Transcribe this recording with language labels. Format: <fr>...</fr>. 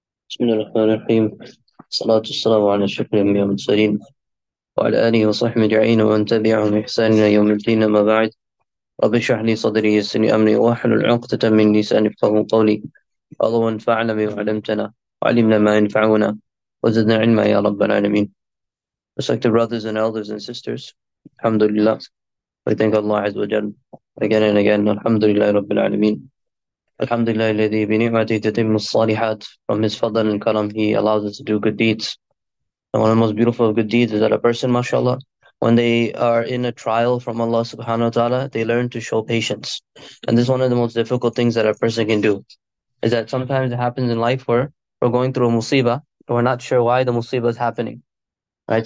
<ar>بسم الله الرحمن الرحيم، الصلاة والسلام على أشرف الأنبياء والمرسلين وعلى آله وصحبه أجمعين ومن تبعهم بإحسان إلى يوم الدين. أما بعد، رب اشرح لي صدري يسر لي أمري واحلل عقدة من لساني يفقهوا قولي. اللهم فاعلم بما علمتنا وعلمنا ما ينفعنا وزدنا علما يا رب العالمين.</ar> <en>Respected brothers and elders and sisters,</en> <ar>الحمد لله.</ar> <en>We thank Allah عز وجل again and again.</en> <ar>الحمد لله رب العالمين. الحمد لله الذي بنعمته تتم الصالحات.</ar> <en>From his fadl and karam, he allows us to do good deeds. And one of the most beautiful of good deeds is that a person, mashallah, when they are in a trial from Allah subhanahu wa ta'ala, they learn to show patience. And this is one of the most difficult things that a person can do. Is that sometimes it happens in life where we're going through a musibah and we're not sure why the musibah is happening. Right?</en>